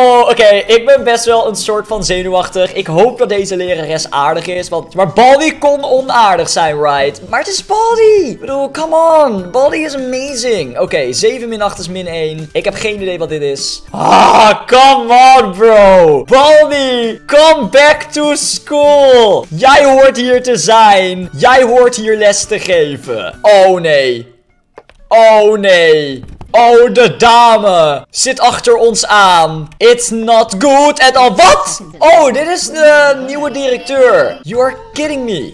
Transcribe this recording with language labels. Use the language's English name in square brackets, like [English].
[Dutch] Oké, ik ben best wel een soort van zenuwachtig. Ik hoop dat deze lerares aardig is. Want... Maar Baldi kon onaardig zijn, right? Maar het is Baldi. Ik bedoel, come on. [English] Baldi is amazing. [Dutch] Oké, 7 min 8 is min 1. Ik heb geen idee wat dit is. [English] Ah, come on, bro. Baldi, come back to school. [Dutch] Jij hoort hier te zijn. Jij hoort hier les te geven. Oh, nee. Oh, nee. Oh, de dame zit achter ons aan. [English] It's not good at all. [Dutch] Wat? Oh, dit is de nieuwe directeur. [English] You are kidding me.